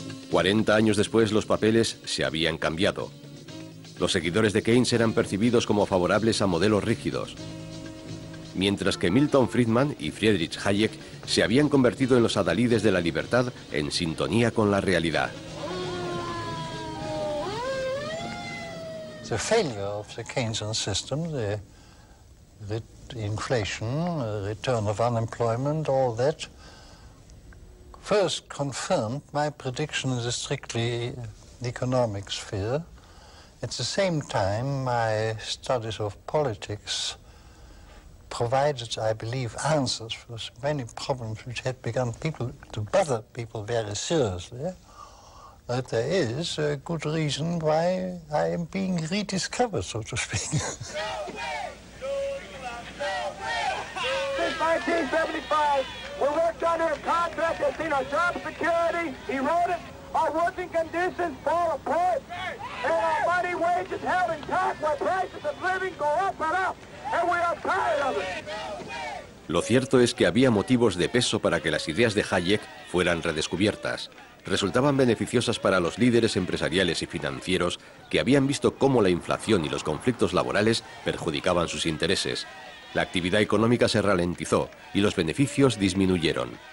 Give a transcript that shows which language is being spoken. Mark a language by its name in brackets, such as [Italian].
[Spanish] 40 años después, los papeles se habían cambiado. Los seguidores de Keynes eran percibidos como favorables a modelos rígidos, mientras que Milton Friedman y Friedrich Hayek se habían convertido en los adalides de la libertad en sintonía con la realidad. [English] The failure of the Keynesian system, the inflation, return of unemployment, all that first confirmed my prediction in the strictly economic sphere. At the same time, my studies of politics provided, I believe, answers for many problems which had begun to bother people very seriously. That there is a good reason why I am being rediscovered, so to speak. Since 1975, we worked under a contract that's seen our job security eroded, our working conditions fall apart. And our money, wages, held intact, while prices of living go up and up. And we are tired of it. [Spanish] Lo cierto es que había motivos de peso para que las ideas de Hayek fueran redescubiertas. Resultaban beneficiosas para los líderes empresariales y financieros que habían visto cómo la inflación y los conflictos laborales perjudicaban sus intereses. La actividad económica se ralentizó y los beneficios disminuyeron.